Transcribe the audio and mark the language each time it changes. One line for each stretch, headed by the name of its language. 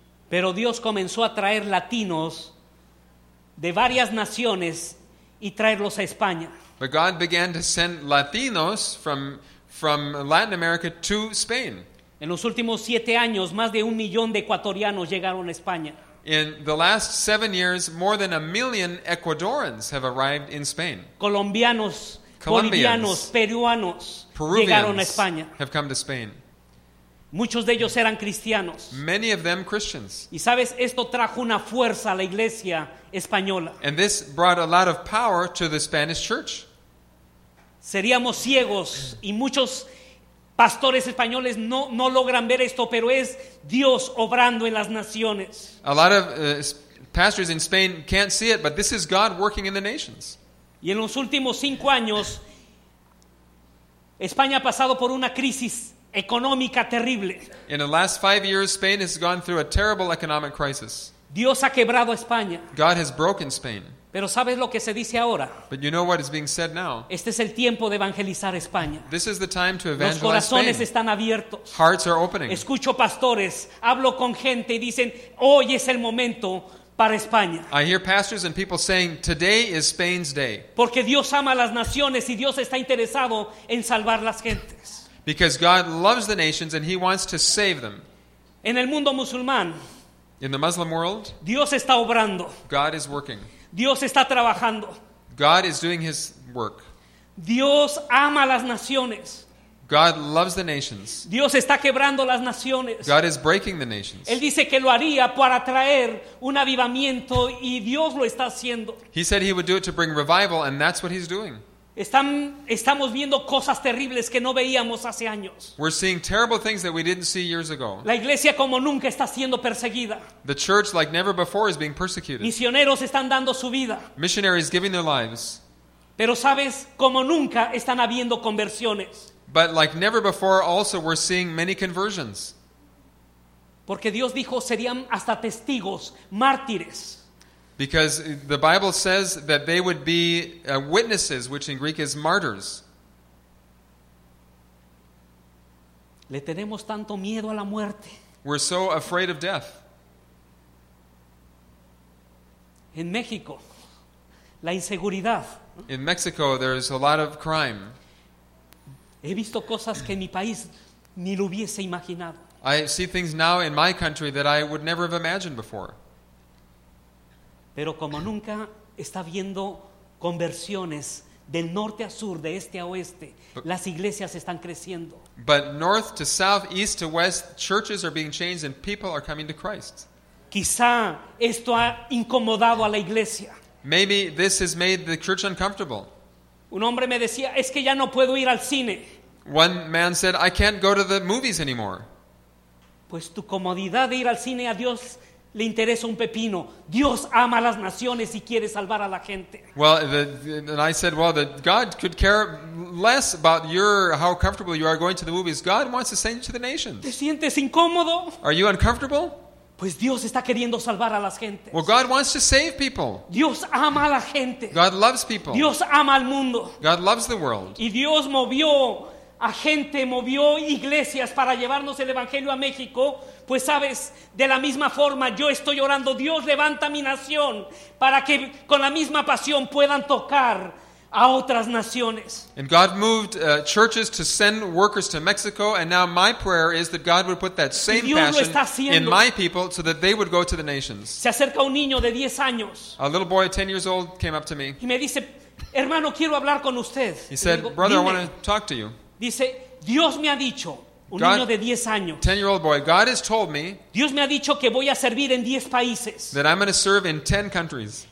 Spanish: Pero Dios comenzó a traer latinos de varias naciones y traerlos a España.
English: But God began to send Latinos from Latin America to Spain.
Spanish: En los últimos 7 años, más de 1 millón de ecuatorianos llegaron a España.
English: In the last 7 years, more than 1 million Ecuadorians have arrived in Spain.
Spanish: Colombianos, bolivianos, peruanos
English: Peruvians
Spanish: llegaron a España.
English: Have come to Spain.
Spanish: Muchos de ellos eran cristianos.
English: Many of them Christians.
Spanish: Y sabes, esto trajo una fuerza a la iglesia española.
English: And this brought a lot of power to the Spanish church.
Spanish: Seríamos ciegos y muchos pastores españoles no logran ver esto, pero es Dios obrando en las naciones.
English: A lot of pastors in Spain can't see it, but this is God working in the nations.
Spanish: Y en los últimos 5 años, España ha pasado por una crisis económica terrible.
English: In the last 5 years, Spain has gone through a terrible economic crisis.
Spanish: Dios ha quebrado España.
English: God has broken Spain.
Spanish: Pero ¿sabes lo que se dice ahora?
English: But you know what is being said now.
Spanish: Este es el tiempo de evangelizar España.
English: This is the time to evangelize
Spanish: Spain. Los corazones
English: Spain.
Spanish: Están abiertos.
English: Hearts are opening.
Spanish: Escucho pastores, hablo con gente y dicen, hoy es el momento para España.
English: I hear pastors and people saying, today is Spain's day.
Spanish: Porque Dios ama las naciones y Dios está interesado en salvar las gentes.
English: Because God loves the nations and He wants to save them.
Spanish: En el mundo musulmán,
English: in the Muslim world,
Spanish: Dios está obrando.
English: God is working.
Spanish: Dios está trabajando.
English: God is doing His work.
Spanish: Dios ama las naciones.
English: God loves the nations.
Spanish: Dios está quebrando las naciones.
English: God is breaking the nations.
Spanish: Él dice que lo haría para traer un avivamiento y Dios lo está haciendo.
English: He said He would do it to bring revival and that's what He's doing.
Spanish: Estamos viendo cosas terribles que no veíamos hace años.
English: We're seeing terrible things that we didn't see years ago.
Spanish: La iglesia como nunca está siendo perseguida.
English: The church like never before is being persecuted.
Spanish: Misioneros están dando su vida.
English: Missionaries giving their lives.
Spanish: Pero sabes, como nunca están habiendo conversiones.
English: But like never before also we're seeing many conversions.
Spanish: Porque Dios dijo serían hasta testigos, mártires.
English: Because the Bible says that they would be witnesses, which in Greek is martyrs.
Spanish: Le tenemos tanto miedo a la muerte.
English: We're so afraid of death.
Spanish: En México, la inseguridad.
English: In Mexico, there's a lot of crime.
Spanish: He visto cosas que en mi país ni lo hubiese imaginado.
English: I see things now in my country that I would never have imagined before.
Spanish: Pero como nunca está viendo conversiones del norte a sur, de este a oeste, las iglesias están creciendo.
English: But north to south, east to west, churches are being changed and people are coming to Christ.
Spanish: Quizá esto ha incomodado a la iglesia.
English: Maybe this has made the church uncomfortable.
Spanish: Un hombre me decía, es que ya no puedo ir al cine.
English: One man said, I can't go to the movies anymore.
Spanish: Pues tu comodidad de ir al cine a Dios le interesa un pepino. Dios ama las naciones y quiere salvar a la gente.
English: Well, and I said, well, that God could care less about your how comfortable you are going to the movies. God wants to send you to the nations.
Spanish: ¿Te sientes incómodo?
English: Are you uncomfortable?
Spanish: Pues Dios está queriendo salvar a las gentes.
English: Well, God wants to save people.
Spanish: Dios ama a la gente.
English: God loves people.
Spanish: Dios ama al mundo.
English: God loves the world.
Spanish: Y Dios movió a gente, movió iglesias para llevarnos el evangelio a México. Pues sabes, de la misma forma yo estoy orando, Dios levanta mi nación para que con la misma pasión puedan tocar a otras naciones.
English: And God moved churches to send workers to Mexico, and now my prayer is that God would put that same passion in my people so that they would go to the nations.
Spanish: Se acerca un niño de 10 años.
English: A little boy, 10 years old, came up to me.
Spanish: Y me dice, hermano, quiero hablar con usted.
English: He said,
Spanish: digo,
English: brother,
Spanish: dime.
English: I want to talk to you.
Spanish: Dice, Dios me ha dicho, un God, niño de 10 años.
English: 10-year-old boy, God has told me,
Spanish: Dios me ha dicho que voy a servir en 10 países.
English: That I'm going to serve in 10 countries.